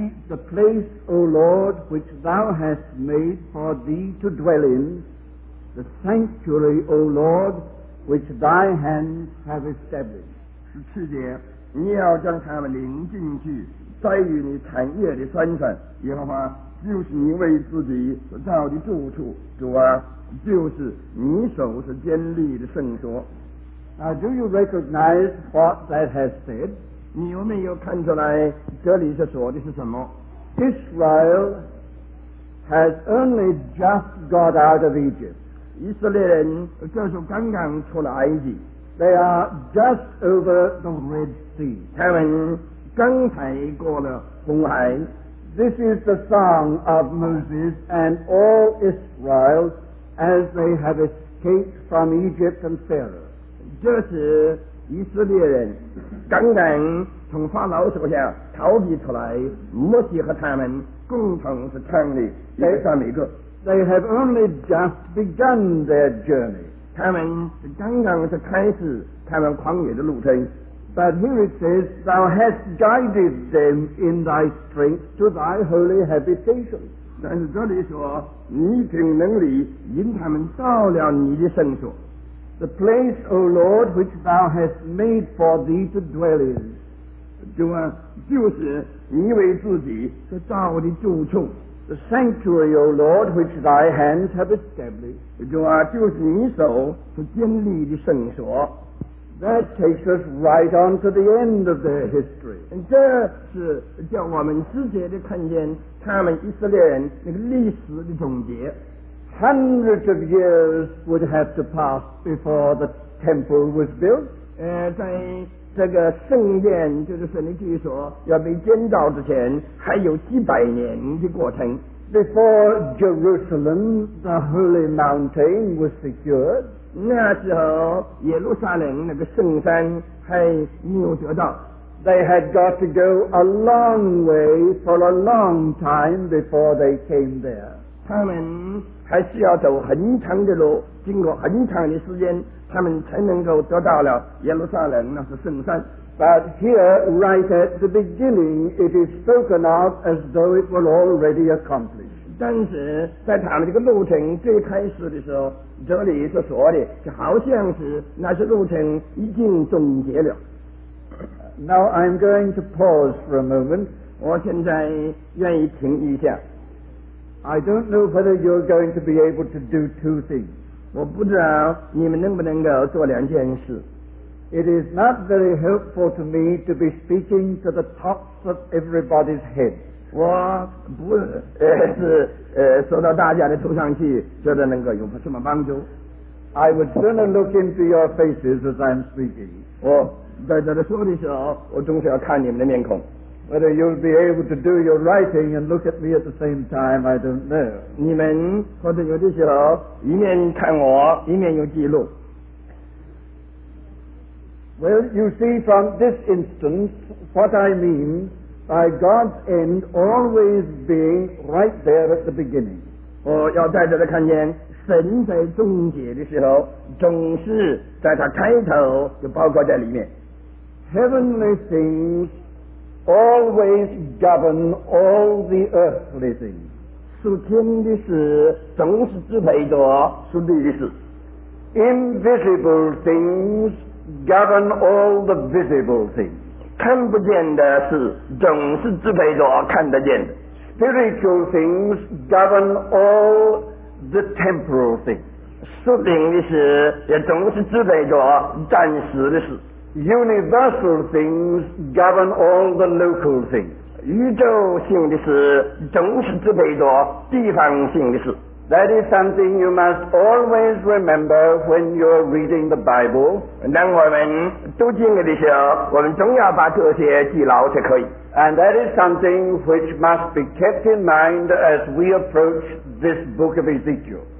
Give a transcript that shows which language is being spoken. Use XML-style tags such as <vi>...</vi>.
<en>The place, O Lord, which thou hast made for thee to dwell in, the sanctuary, O Lord, which thy hands have established.</en> <zh>十七节，你要将他们领进去，在于你产业的山上，耶和华。就是你为自己所造的住处，主啊，就是你手所建立的圣所。</zh> <en>Now, do you recognize what that has said?</en> <zh>你有没有看出来这里所说的是什么？</zh> <en>Israel has only just got out of Egypt.</en> <zh>以色列人就是刚刚出了埃及。</zh> <en>They are just over the Red Sea.</en> <zh>他们刚才过了红海。</zh> <en>This is the song of Moses and all Israel as they have escaped from Egypt and Pharaoh.</en> <zh>这是以色列人刚刚从法老手下逃避出来，摩西和他们共同是唱的这上一个。</zh> <en>They have only just begun their journey.</en> <zh>他们刚刚是开始他们旷野的路程。</zh> <en>But here it says, Thou hast guided them in thy strength to thy holy habitation.</en> <zh>但是这里说，你凭能力引他们到了你的圣所。</zh> <en>The place, O Lord, which thou hast made for thee to dwell in.</en> <zh>主啊，就是你为自己所造的住处。</zh> <en>The sanctuary, O Lord, which thy hands have established.</en> <zh>主啊，就是你手所建立的圣所。</zh> <en>That takes us right on to the end of their history.</en> <zh>这是叫我们直接地看见他们以色列人那个历史的总结。</zh> <en>Hundreds of years would have to pass before the temple was built.</en> <zh>在这个圣殿就是神的居所要被建造之前还有几百年的过程。</zh> <en>Before Jerusalem, the holy mountain was secured.</en> <zh>那时候耶路撒冷那个圣山还没有得到。</zh> <en>they had got to go a long way for a long time before they came there.</en> <zh>他们还需要走很长的路，经过很长的时间，他们才能够得到了耶路撒冷，那是圣山。</zh> <en>But here, right at the beginning, it is spoken of as though it were already accomplished.</en> <zh>但是在他们这个路程最开始的时候，这里所说的就好像是那些路程已经终结了。</zh> <en>Now I'm going to pause for a moment.</en> <zh>我现在愿意停一下。</zh> <en>I don't know whether you're going to be able to do two things.</en> <zh>我不知道你们能不能够做两件事。</zh> <en>It is not very helpful to me to be speaking to the tops of everybody's heads.</en> <zh>我不是说到大家的头上去，觉得能够有什么帮助。</zh> <en>I would sooner look into your faces as I'm speaking.</en> <zh>我在这里说的时候，我总是要看你们的面孔。</zh> <en>Whether you'll be able to do your writing and look at me at the same time, I don't know.</en> <zh>你们或者有的时候一面看我，一面有记录。</zh> <en>Well, you see, from this instance, what I mean by God's end always being right there at the beginning.</en> <zh>我要带着他看见神在终结的时候，总是在他开头就包括在里面。</zh> <en>Heavenly things always govern all the earthly things.</en> <zh>属天的事总是支配着属地的事。</zh> <en>Invisible things govern all the visible things.</en> <zh>看不见的事总是支配着看得见的。</zh> <en>Spiritual things govern all the temporal things.</en> <zh>属灵的事也总是支配着暂时的事。</zh> <en>Universal things govern all the local things.</en> <zh>宇宙性的事总是支配着地方性的事。</zh> <en>That is something you must always remember when you're reading the Bible.</en> <zh>当我们读经的时候，我们总要把这些记牢才可以。</zh> <en>And that is something which must be kept in mind as we approach this book of Ezekiel.</en>